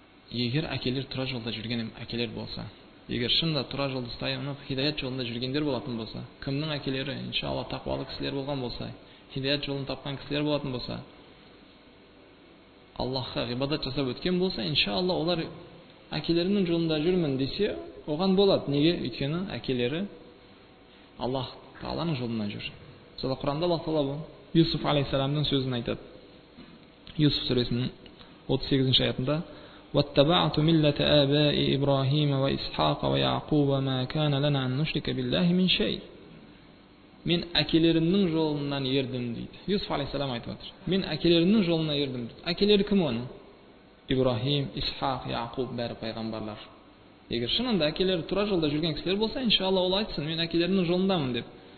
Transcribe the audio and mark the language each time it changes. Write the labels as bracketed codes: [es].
[kk] Егер әкелер тұра жолда жүрген әкелер болса. Егер шында тұра жолды ұстайынып, хидаят жолында жүргендер болатын болса, кімнің әкелері, иншалла, тақуалы кісілер болған болса, хидаят жолын тапқан кісілер болатын болса, Аллахқа ғибадат жасап өткен болса, иншалла, олар әкелерінің жолында жүрмін десе, оған болады. Неге? Өйткені әкелері Аллах тағаланың жолында жүр. Сонда Құранда Аллах тағала бұл. Юсуф алейхиссаламның сөзін айтады. Юсуф сүресінің 38-ші аятында, [ar] واتبعت ملة آباء إبراهيم وإسحاق ويعقوب ما كان لنا أن نشرك بالله من شيء. [kk] من أكلерінің жолынан ердім дейді. Юсуф алейхиссалам айтып отыр. Мен әкелерімнің жолына ердім дейді. Әкелері кім оны? Ибрахим, Исхақ, Яқуб бәрі пайғамбарлар. Егер шынында әкелері тұра жолда жүрген кісілер болса, иншалла ол айтсын, мен әкелерімнің жолындамын деп.